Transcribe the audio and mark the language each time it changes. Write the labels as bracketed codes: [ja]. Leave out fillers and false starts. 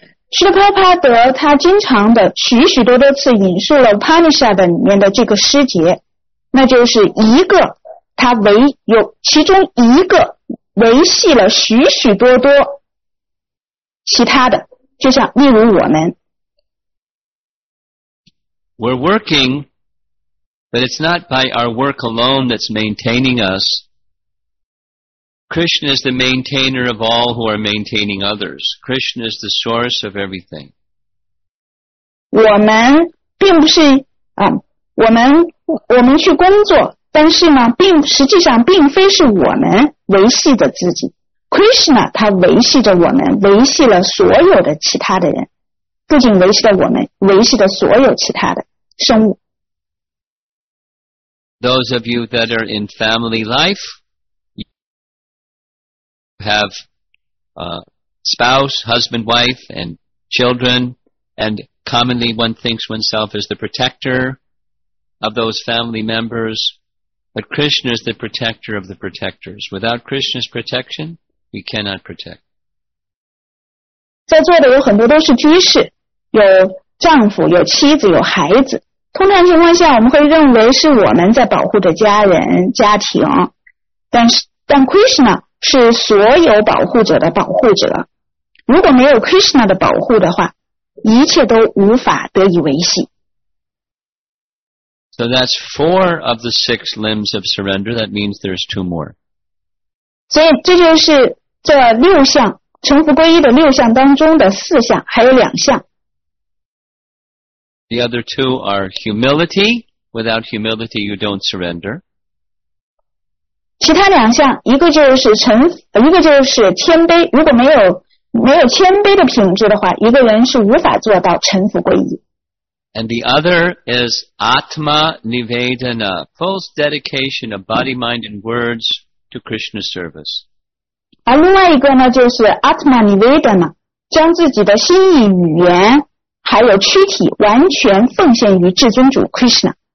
[zh] Srila Prabhupada 他经常的许许多多次引述了 Upanishad 里面的这个诗节，那就是一个，他唯有其中一个维系了许许多多其他的，就像例如我们。 [en] We're working, but it's not by our work alone that's maintaining us. Krishna is the maintainer of all who are maintaining others. Krishna is the source of everything. [zh] 我们并不是啊，我们去工作，但是呢，实际上并非是我们维系着自己。 Krishna 他维系着我们，维系了所有的其他的人，不仅维系着我们，维系着所有其他的生物。 [en] Those of you that are in family life. Have a spouse, husband, wife, and children, and commonly one thinks oneself as the protector of those family members, but Krishna is the protector of the protectors. Without Krishna's protection, we cannot protect. [zh] 在座的有很多都是居士，有丈夫，有妻子，有孩子。通常情况下，我们会认为是我们在保护着家人、家庭，但 Krishna。是所有保护者的保护者。如果没有 Krishna 的保护的话，一切都无法得以维系。 [en] So that's four of the six limbs of surrender. That means there's two more. [zh] 所以这就是这六项臣服皈依的六项当中的四项，还有两项。 [en] The other two are humility. Without humility, you don't surrender. [zh] 其他两项，一个就是谦卑。如果没有谦卑的品质的话，一个人是无法做到臣服皈依。 [en] And the other is Atma Nivedana, full dedication of body, mind, and words to Krishna service. [zh] 而另外一个呢，就是 Atma Nivedana, 将自己的心意、语言还有躯体完全奉献于至尊主 Krishna。